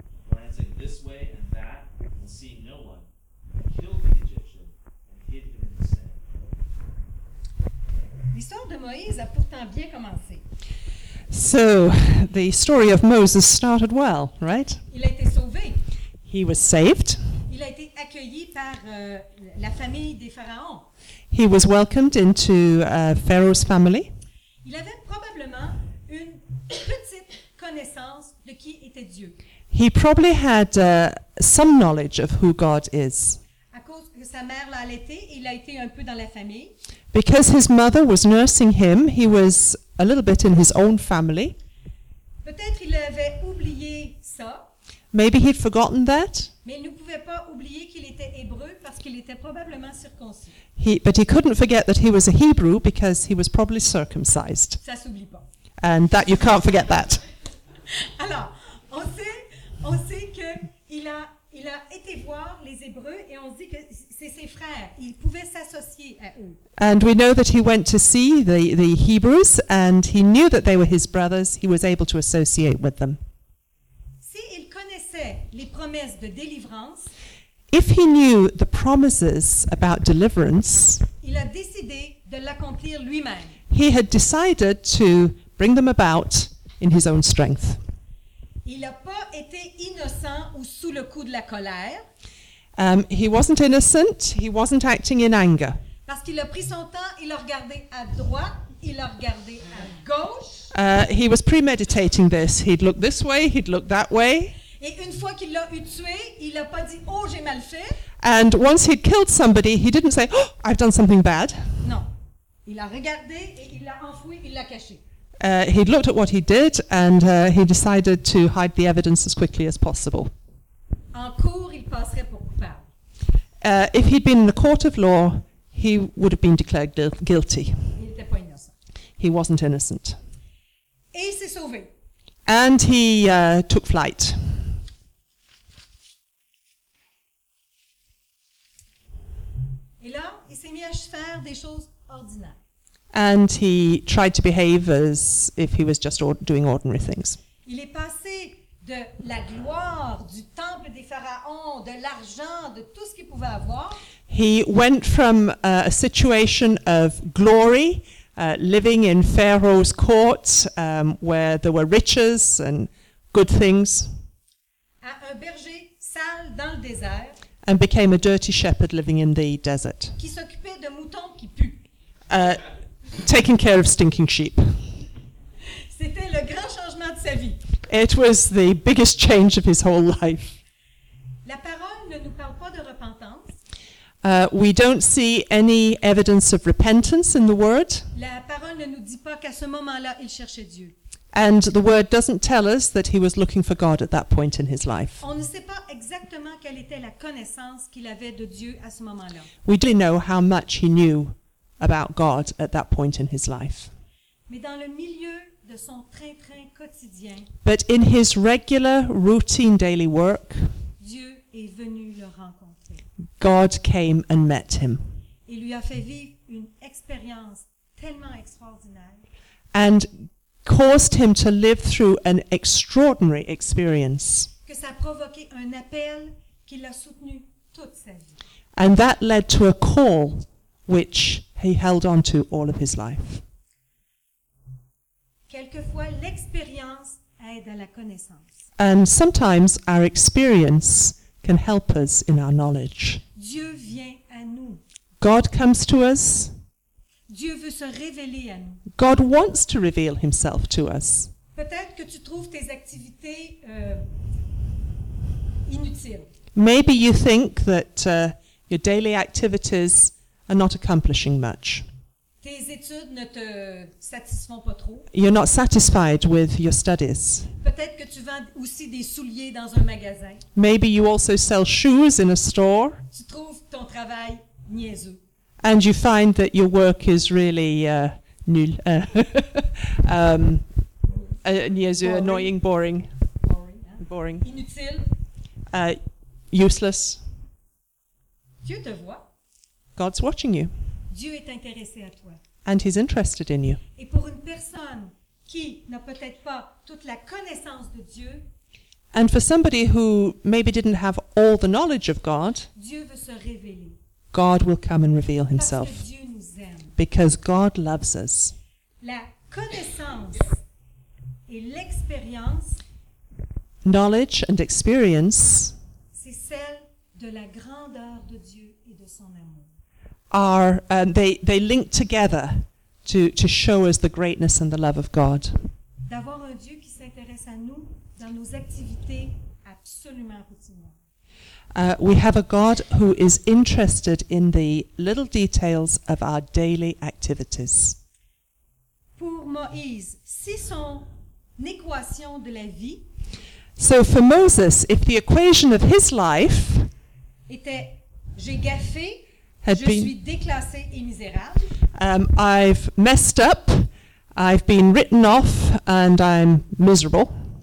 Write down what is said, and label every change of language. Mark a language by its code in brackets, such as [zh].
[en] Glancing this way and that, and seeing no one, he killed the Egyptian and hid him in the sand. [fr] L'histoire de Moïse a pourtant bien commencé. [en] So, the story of Moses started well, right? [fr] Il a été sauvé. [en] He was saved. [fr] Il a été accueilli par la famille des pharaons. [en] He was welcomed into Pharaoh's family. [fr] Il avait probablement petite connaissance de qui était Dieu. [en] He probably had some knowledge of who God is. [fr] À cause que sa mère l'a allaité, il a été un peu dans la famille. [en] Because his mother was nursing him, he was a little bit in his own family. [fr] Peut-être il avait oublié ça. [en] Maybe he'd forgotten that. [fr] Mais il ne pouvait pas oublier qu'il était hébreu parce qu'il était probablement circoncis. [en] But he couldn't forget that he was a Hebrew because he was probably circumcised. [fr] Ça s'oublie pas. [en] And that you can't forget that. [fr] Alors, on sait que il a été voir les Hébreux et on dit que c'est ses frères. Il pouvait s'associer à eux. [en] And we know that he went to see the Hebrews and he knew that they were his brothers. He was able to associate with them. [fr] Si il connaissait les promesses de délivrance, [en] if he knew the promises about deliverance, [fr] il a décidé de l'accomplir lui-même. [en] He had decided to bring them about in his own strength. [fr] Il n'a pas été innocent ou sous le coup de la colère. [en] He wasn't innocent. He wasn't acting in anger. [fr] Parce qu'il a pris son temps, il a regardé à droite, il a regardé à gauche. [en] He was premeditating this. He'd look this way, he'd look that way. [fr] Et une fois qu'il l'a eu tué, il n'a pas dit, oh, j'ai mal fait. [en] And once he'd killed somebody, he didn't say, oh, I've done something bad. [fr] Non. Il a regardé et il l'a enfoui, il l'a caché. [en] He'd looked at what he did and he decided to hide the evidence as quickly as possible. [fr] En cours, il passerait pour coupable. [en] If he'd been in the court of law, he would have been declared guilty. [fr] Il était pas innocent. [en] He wasn't innocent. [fr] Et il s'est sauvé. [en] And he took flight. [fr] Et là, il s'est mis à faire des choses ordinaires. [en] And he tried to behave as if he was just doing ordinary things. [fr] Il est passé de la gloire du temple des pharaons, de l'argent, de tout ce qu'il pouvait avoir. [en] He went from a situation of glory, living in Pharaoh's court, where there were riches and good things. [fr] À un berger sale dans le désert. [en] And became a dirty shepherd living in the desert. [fr] Qui s'occupait de moutons qui puent. [en] Taking care of stinking sheep. [fr] C'était le grand changement de sa vie. [en] It was the biggest change of his whole life. [fr] La parole ne nous parle pas de repentance. [en] We don't see any evidence of repentance in the word. [fr] La parole ne nous dit pas qu'à ce moment-là, il cherchait Dieu. [en] And the word doesn't tell us that he was looking for God at that point in his life. [fr] On ne sait pas exactement quelle était la connaissance qu'il avait de Dieu à ce moment-là. [en] We do know how much he knew about God at that point in his life. [fr] Mais dans le milieu de son train-train quotidien, [en] but in his regular routine daily work, [fr] Dieu est venu le rencontrer. [en] God came and met him. [fr] Il lui a fait vivre une expérience tellement extraordinaire, [en] and caused him to live through an extraordinary experience, [fr] que ça a provoqué un appel qui l'a soutenu toute sa vie. [en] And that led to a call which he held on to all of his life. [fr] Quelquefois, l'expérience aide à la connaissance. [en] And sometimes our experience can help us in our knowledge. [fr] Dieu vient à nous. [en] God comes to us. [fr] Dieu veut se révéler à nous. [en] God wants to reveal himself to us. [fr] Peut-être que tu trouves tes activités inutiles. [en] Maybe you think that your daily activities are not accomplishing much. [fr] Tes études ne te satisfont pas trop. [en] You're not satisfied with your studies. [fr] Peut-être que tu vends aussi des souliers dans un magasin. [en] Maybe you also sell shoes in a store. [fr] Tu trouves ton travail niaiseux. [en] And you find that your work is really nul. [fr] niaiseux, [en] boring. Annoying, boring. Boring, hein? Boring. [fr] Inutile. [en] Useless. [fr] Dieu te voit. [en] God's watching you. [fr] Dieu est intéressé à toi. [en] And he's interested in you. [fr] Et pour une personne qui n'a peut-être pas toute la connaissance de Dieu, [en] and for somebody who maybe didn't have all the knowledge of God, [fr] Dieu veut se révéler. [en] God will come and reveal himself. [fr] Parce que Dieu nous aime. [en] Because God loves us. [fr] La connaissance et l'expérience, [en] knowledge and experience, [fr] c'est celle de la grandeur de Dieu et de son amour. [en] They link together to show us the greatness and the love of God. [fr] D'avoir un Dieu qui s'intéresse à nous dans nos activités absolument routinières. [en] We have a God who is interested in the little details of our daily activities. [fr] Pour Moïse, si son équation de la vie, [en] so for Moses, if the equation of his life [fr] était, j'ai gaffé, had je been, suis déclassé et misérable. [en] I've messed up, I've been written off, and I'm miserable.